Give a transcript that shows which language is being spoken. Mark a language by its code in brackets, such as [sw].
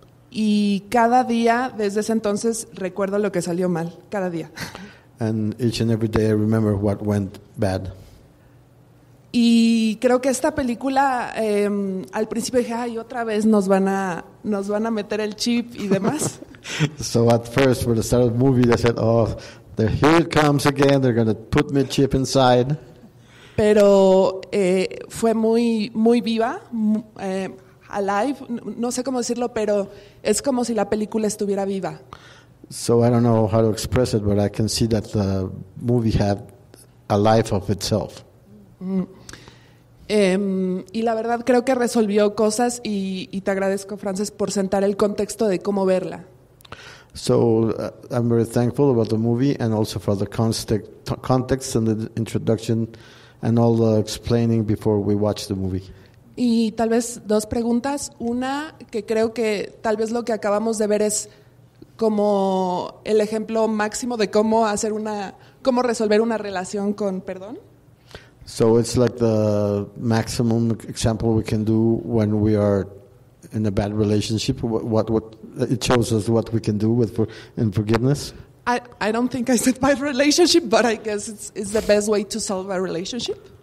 [es] Y cada día desde ese entonces recuerdo lo que salió mal, cada día. [en] And each and every day I remember what went bad. [es] Y creo que esta película al principio dije, ay, otra vez nos van a meter el chip y demás. [en] So at first when I started the movie I said, oh, here it comes again, they're going to put me a chip inside. [es] Pero fue muy muy viva, alive, no sé cómo decirlo, pero es como si la película estuviera viva. [en] So I don't know how to express it, but I can see that the movie had a life of itself. [es] Y la verdad creo que resolvió cosas y te agradezco, Frances, por sentar el contexto de cómo verla. [en] So I'm very thankful about the movie and also for the context and the introduction and all the explaining before we watch the movie. [es] Y tal vez dos preguntas. Una, que creo que tal vez lo que acabamos de ver es como el ejemplo máximo de cómo hacer una, cómo resolver una relación con perdón. [en] So it's like the maximum example we can do when we are in a bad relationship. What it shows us what we can do with in forgiveness. I don't think I said bad relationship, but I guess it's the best way to solve a relationship.